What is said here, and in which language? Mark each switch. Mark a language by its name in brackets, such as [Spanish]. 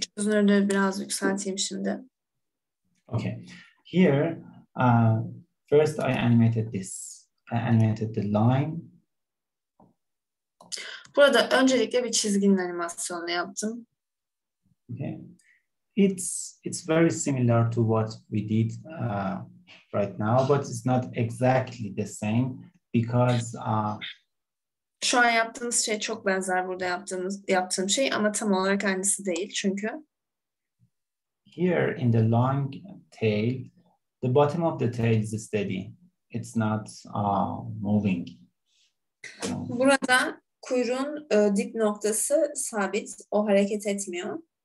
[Turkish] Çözünürlüğü biraz yükselteyim şimdi. [English] Okay. Here first I animated this. I animated the line. [Turkish] Burada öncelikle bir çizginin animasyonunu yaptım. [English] Okay. It's very similar to what we did right now, but it's not exactly the same because [Turkish] şu an yaptığımız şey çok benzer burada yaptığım şey, ama tam olarak aynısı değil çünkü. [English] Here in the long tail, the bottom of the tail is steady. It's not moving. [Turkish] Burada kuyruğun dip noktası sabit, o hareket etmiyor.